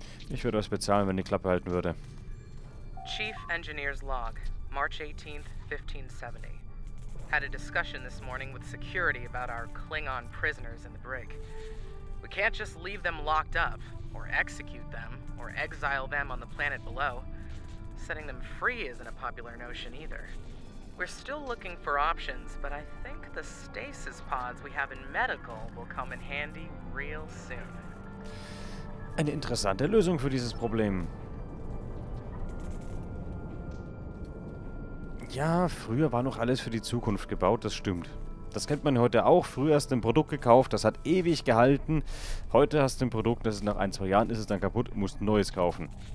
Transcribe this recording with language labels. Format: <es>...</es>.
<de>Ich würde was bezahlen, wenn die Klappe halten würde.</de> <en>Chief Engineer's Log, March 18th, 1570. Had a discussion this morning with security about our Klingon prisoners in the brig. We can't just leave them locked up, or execute them, or exile them on the planet below. Setting them free isn't a popular notion either. We're still looking for options, but I think the stasis pods we have in medical will come in handy real soon.</en> <de>Eine interessante Lösung für dieses Problem. Ja, früher war noch alles für die Zukunft gebaut, das stimmt. Das kennt man heute auch. Früher hast du ein Produkt gekauft, das hat ewig gehalten. Heute hast du ein Produkt, das ist nach ein, zwei Jahren, ist es dann kaputt, musst ein neues kaufen.</de>